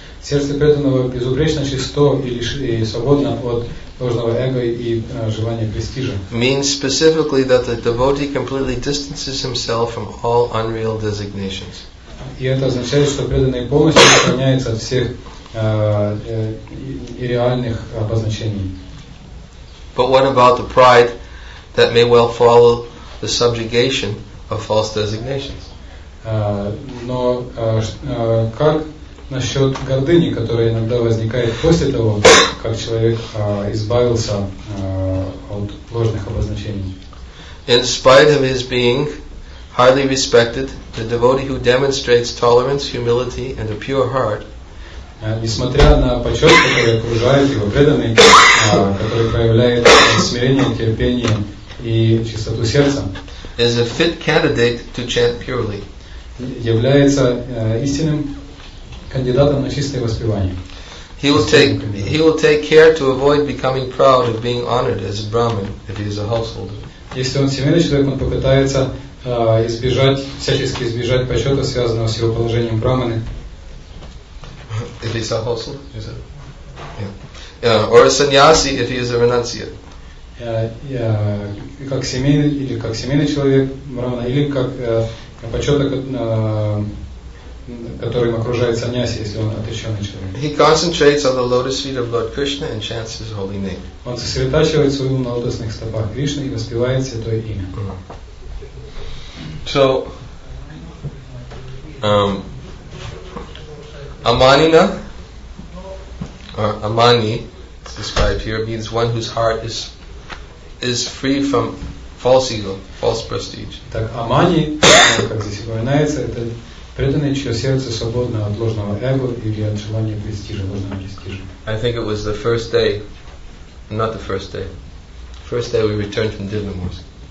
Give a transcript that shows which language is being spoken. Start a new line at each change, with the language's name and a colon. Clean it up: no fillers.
Russian: Сердце преданного безупречно чисто и свободно от ложного эго и желания престижа.
English: Means specifically that the devotee completely distances himself from all unreal designations.
Russian: И это означает, что преданный полностью отстраняется от всех реальных обозначений.
English: But what about the pride that may well follow the subjugation of false designations?
Russian: Но как насчет гордыни, которая иногда возникает после того, как человек избавился от ложных обозначений?
English: In spite of his being highly respected, the devotee who demonstrates tolerance, humility, and a pure heart.
Russian: Несмотря на почет, который окружает его преданный, который проявляет смирение, терпение и чистоту сердца.
English: Is a fit candidate to chant purely.
Russian: Является истинным кандидатом на чистое воспевание.
English: He will take care to avoid becoming proud of being honored as a Brahmin if he is a householder.
Russian: Если он семейный человек, он попытается всячески избежать почета, связанного с его положением брахмана.
English: If he is a householder, is it? Yeah. Or a sannyasi if he is a renunciate.
Russian: Как семейный человек, или как почета которым окружает саньяси, если он отречённый человек.
English: He concentrates on the lotus feet of Lord Krishna and chants his holy name.
Russian: Он сосредотачивает свой ум на лотосных стопах Кришны и воспевает святое имя.
English: So, Amanina, or Amani, it's described here, means one whose heart is free from false ego, false prestige.
Russian: Так, Амани, как здесь упоминается, это преданный, чье сердце свободно от ложного эго или от желания престижа, ложного престижа.
English: I think it was the first day, not the first day, first day we returned from Divinomorsk.